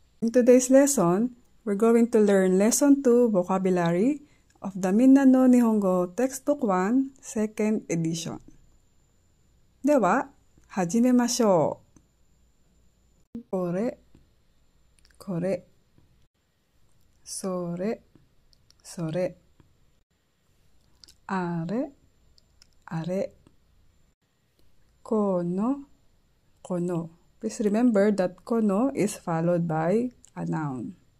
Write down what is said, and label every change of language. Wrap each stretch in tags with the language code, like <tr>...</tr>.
<en>In today's lesson, we're going to learn Lesson 2 Vocabulary of the Minnano Nihongo Textbook 1 Second Edition.</en> <ja>では、始めましょう。これ、これ、それ、それ、あれ、あれ、この、この。</ja> <en>Please remember that kono is followed by a noun.</en>